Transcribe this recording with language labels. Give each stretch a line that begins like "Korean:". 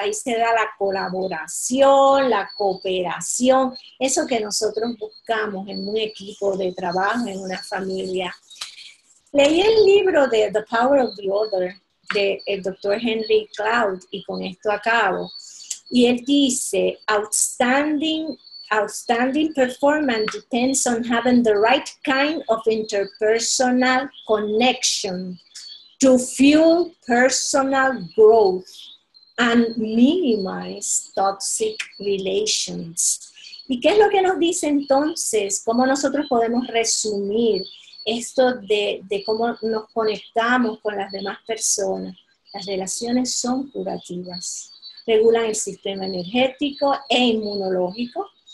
Spanish: Ahí se da la colaboración, la cooperación, eso que nosotros buscamos en un equipo de trabajo, en una familia. Leí el libro de The Power of the Other, del Dr. Henry Cloud, y con esto acabo.
English: Y él dice, outstanding performance depends on having the right kind of interpersonal connection to fuel personal growth and minimize toxic relations.
Spanish: ¿Y qué es lo que nos dice entonces? ¿Cómo nosotros podemos resumir esto de cómo nos conectamos con las demás personas? Las relaciones son curativas. Regulan el sistema energético e inmunológico.